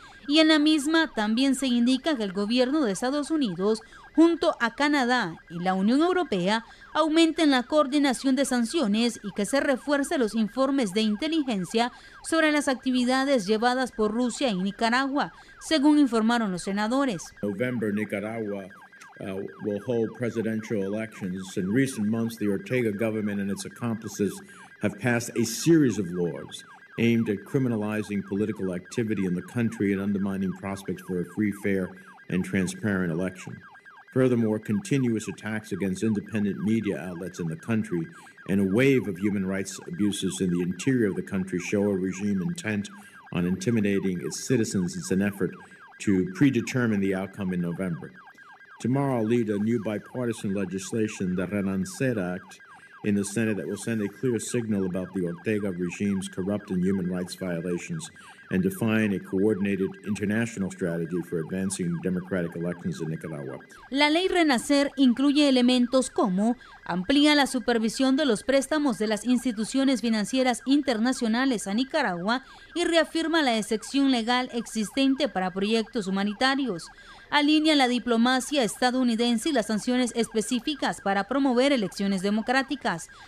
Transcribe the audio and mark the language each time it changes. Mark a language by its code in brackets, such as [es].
[es] Y en la misma también se indica que el gobierno de Estados Unidos, junto a Canadá y la Unión Europea, aumenten la coordinación de sanciones y que se refuercen los informes de inteligencia sobre las actividades llevadas por Rusia en Nicaragua, según informaron los senadores. En noviembre, [en] Nicaragua will hold presidential elections. In recent months, the Ortega government and its accomplices have passed a series of laws aimed at criminalizing political activity in the country and undermining prospects for a free, fair, and transparent election. Furthermore, continuous attacks against independent media outlets in the country and a wave of human rights abuses in the interior of the country show a regime intent on intimidating its citizens in an effort to predetermine the outcome in November. Tomorrow I'll lead a new bipartisan legislation, the Renacer Act, in the Senate that will send a clear signal about the Ortega regime's corrupt and human rights violations and define a coordinated international strategy for advancing democratic elections in Nicaragua. [es] La ley Renacer incluye elementos como amplía la supervisión de los préstamos de las instituciones financieras internacionales a Nicaragua y reafirma la excepción legal existente para proyectos humanitarios. Alinea la diplomacia estadounidense y las sanciones específicas para promover elecciones democráticas.